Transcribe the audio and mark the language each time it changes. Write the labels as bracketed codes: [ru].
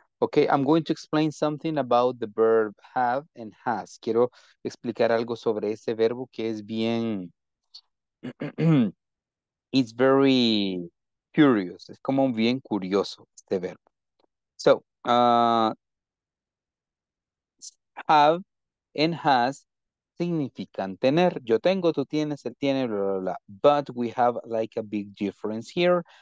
[en] Okay, I'm going to explain something about the verb have and has. [es] Quiero explicar algo sobre ese verbo que es bien... [en] It's very curious. [es] Es como bien curioso este verbo. [en] So, have and has [es] significan tener. Yo tengo, tú tienes, él tiene, bla, bla, bla. [en] But we have like a big difference here.